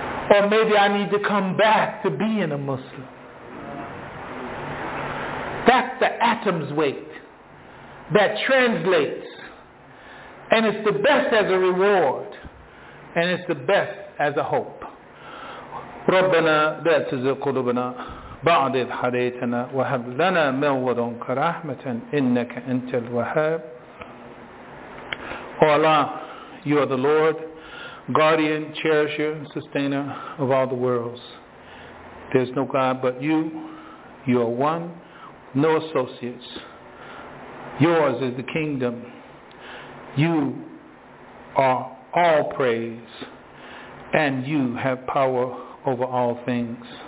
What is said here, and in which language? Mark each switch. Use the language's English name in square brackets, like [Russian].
[English] Or maybe I need to come back to being a Muslim. That's the atom's weight that translates. And it's the best as a reward. And it's the best as a hope. [Arabic] ربنا لا تزغ قلوبنا بعد إذ هديتنا وهب لنا من لدنك رحمة إنك أنت الوهاب. [English] O Allah, you are the Lord, guardian, cherisher, and sustainer of all the worlds. There's no God but you. You are one, no associates. Yours is the kingdom. You are all praise, and you have power over all things.